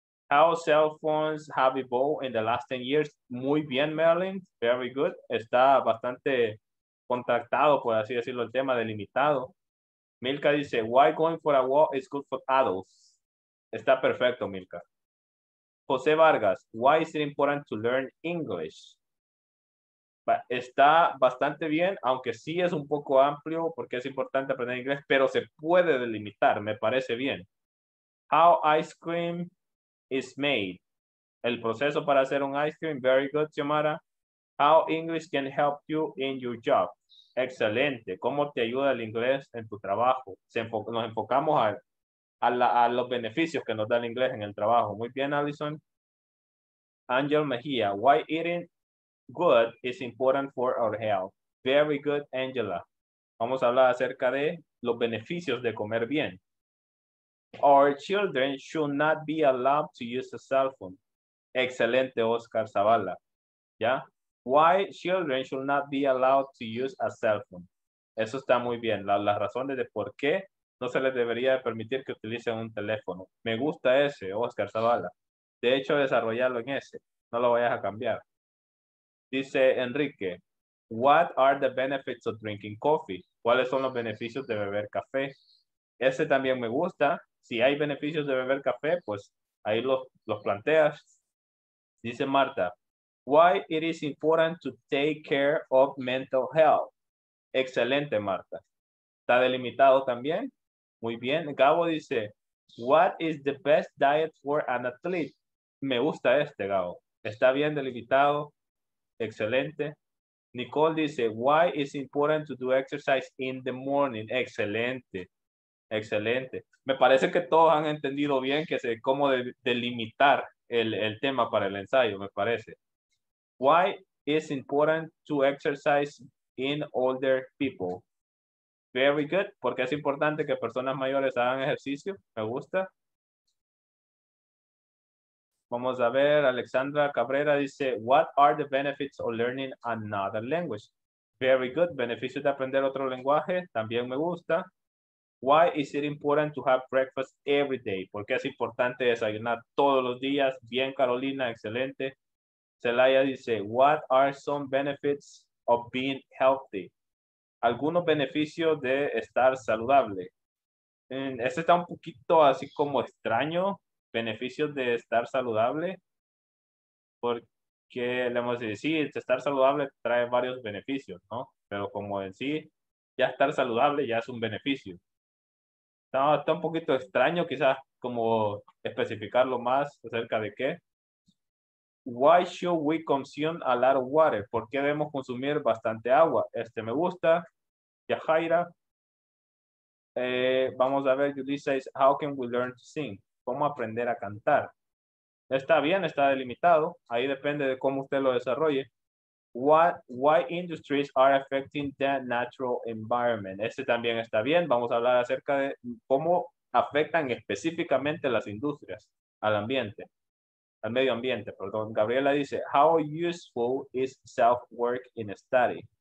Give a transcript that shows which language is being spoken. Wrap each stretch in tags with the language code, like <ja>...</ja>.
<en>How cell phones have evolved in the last 10 years.</en> <es>Muy bien, Merlin.</es> <en>Very good.</en> <es>Está bastante contactado, por así decirlo, el tema delimitado.</es> <en>Milka dice, why going for a walk is good for adults.</en> <es>Está perfecto,</es> <en>Milka. José Vargas, why is it important to learn English?</en> <es>Está bastante bien, aunque sí es un poco amplio porque es importante aprender inglés, pero se puede delimitar, me parece bien.</es> <en>How ice cream is made.</en> <es>El proceso para hacer un</es> <en>ice cream, very good, Xiomara. How English can help you in your job.</en> <es>Excelente. ¿Cómo te ayuda el inglés en tu trabajo? Nos enfocamos a los beneficios que nos da el inglés en el trabajo. Muy bien, Allison.</es> <en>Angel Mejía, why eating good is important for our health. Very good, Angela.</en> <es>Vamos a hablar acerca de los beneficios de comer bien.</es> <en>Our children should not be allowed to use a cell phone.</en> <es>Excelente,</es> <en>Oscar Zavala.</en> <es>¿Ya?</es> <en>Why children should not be allowed to use a cell phone.</en> <es>Eso está muy bien. Las razones de por qué no se les debería permitir que utilicen un teléfono. Me gusta ese, Oscar Zavala. De hecho, desarrollarlo en ese. No lo vayas a cambiar.</es> <en>Dice Enrique, what are the benefits of drinking coffee?</en> <es>¿Cuáles son los beneficios de beber café? Ese también me gusta. Si hay beneficios de beber café, pues ahí los planteas.</es> <en>Dice Marta, why it is important to take care of mental health.</en> <es>Excelente, Marta. Está delimitado también. Muy bien.</es> <en>Gabo dice, what is the best diet for an athlete?</en> <es>Me gusta este, Gabo. Está bien delimitado. Excelente.</es> <en>Nicole dice, why is it important to do exercise in the morning?</en> <es>Excelente. Excelente. Me parece que todos han entendido bien que sé cómo delimitar el tema para el ensayo, me parece.</es> <en>Why is important to exercise in older people? Very good.</en> <es>Porque es importante que personas mayores hagan ejercicio. Me gusta. Vamos a ver.</es> <en>Alexandra Cabrera dice, what are the benefits of learning another language? Very good.</en> <es>Beneficios de aprender otro lenguaje. También me gusta.</es> <en>Why is it important to have breakfast every day?</en> <es>Porque es importante desayunar todos los días. Bien, Carolina. Excelente.</es> <en>Celaya dice, what are some benefits of being healthy?</en> <es>¿Algunos beneficios de estar saludable? Este está un poquito así como extraño, beneficios de estar saludable, porque le vamos a decir, sí, estar saludable trae varios beneficios, ¿no? Pero como en sí, ya estar saludable ya es un beneficio. Está un poquito extraño quizás como especificarlo más acerca de qué.</es> <en>Why should we consume a lot of water?</en> <es>¿Por qué debemos consumir bastante agua? Este me gusta. Yajaira. Vamos a ver, Julissa dice,</es> <en>how can we learn to sing?</en> <es>¿Cómo aprender a cantar? Está bien, está delimitado. Ahí depende de cómo usted lo desarrolle.</es> <en>Why industries are affecting the natural environment?</en> <es>Este también está bien. Vamos a hablar acerca de cómo afectan específicamente las industrias al ambiente. Al medio ambiente, perdón.</es> <en>Gabriela dice, how useful is self-work in study?</en>